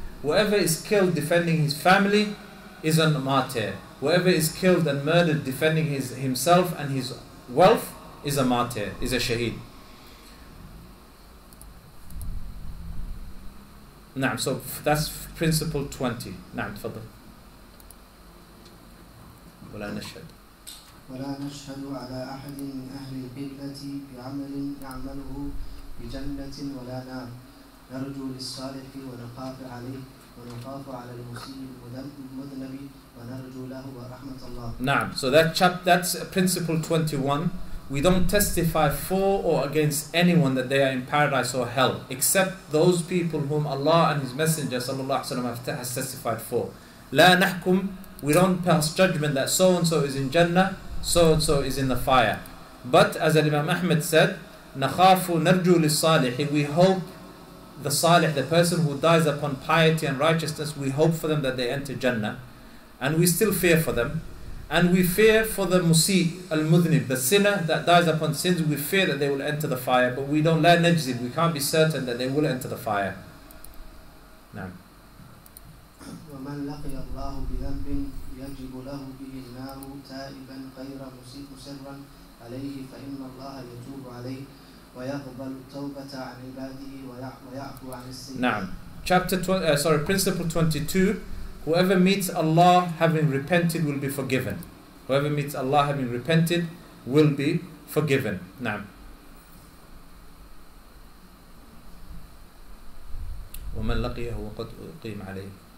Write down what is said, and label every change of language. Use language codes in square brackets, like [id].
[en] Whoever is killed defending his family is a martyr. Whoever is killed and murdered defending himself and his wealth is a martyr, is a shaheed. Na'am, so that's principle 20. [ar] Na'am, tafadhal. ولا نشهد على أحد من أهل القبلة بعمل يعمله بجنة ولا نار. نرجو للصالح ونخاف عليه ونخاف على المسيء المذنب ونرجو له ورحمة الله. نعم. [en] So that's principle 21. We don't testify for or against anyone that they are in paradise or hell, except those people whom Allah and His Messenger [ar] صلى الله عليه وسلم [en] has testified for. [ar] لا نحكم. [en] We don't pass judgment that so-and-so is in Jannah, so-and-so is in the fire. But as Imam Ahmed said, [ar] نَخَافُ نَرْجُو لِلصَّالِحِ, [en] we hope the salih, the person who dies upon piety and righteousness, we hope for them that they enter Jannah. And we still fear for them. And we fear for the musi al-mudhnib, the sinner that dies upon sins, we fear that they will enter the fire. But we don't learn najzib, we can't be certain that they will enter the fire. [ar] Naam. ومن لقي الله بذنب يجب له به النار تائبا غير مسيء سرا عليه فإن الله يتوب عليه ويقبل التوبة عن عباده ويعفو عن السيئات. نعم. [en] Principle 22, whoever meets Allah having repented will be forgiven. Whoever meets Allah having repented will be forgiven. Naam. [ar] وَمَنْ لَقِيَهُ وَقَدْ أُقِيمَ عَلَيْهِ